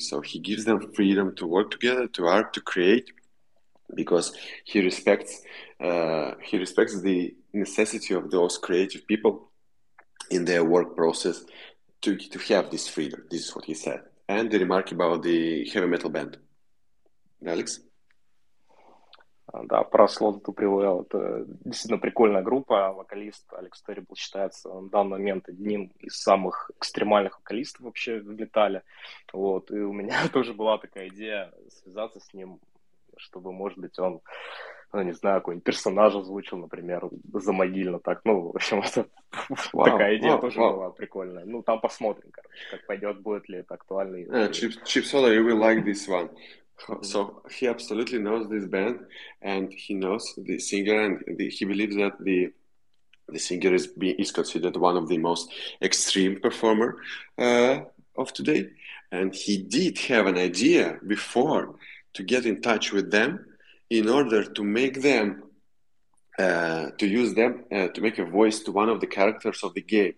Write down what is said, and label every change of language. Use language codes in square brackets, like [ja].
[en] So he gives them freedom to work together, to art, to create, because he respects the necessity of those creative people in their work process to have this freedom. This is what he said. And the remark about the heavy metal band. Alex? [ru] Да, про слот эту привел. Это действительно прикольная группа. Вокалист Алекс Террибл считается на данный момент одним из самых экстремальных вокалистов вообще в металле. Вот. И у меня тоже была такая идея связаться с ним, чтобы, может быть, он, ну, не знаю, какой-нибудь персонаж озвучил, например, замогильно так. Ну, в общем, это такая идея тоже была прикольная. Ну, там посмотрим, короче, как пойдет, будет ли это актуально. [en] Chipsola, you will like this one. So he absolutely knows this band, and he knows the singer, and he believes that the singer is considered one of the most extreme performer of today. And he did have an idea before to get in touch with them in order to make them to use them to make a voice to one of the characters of the game.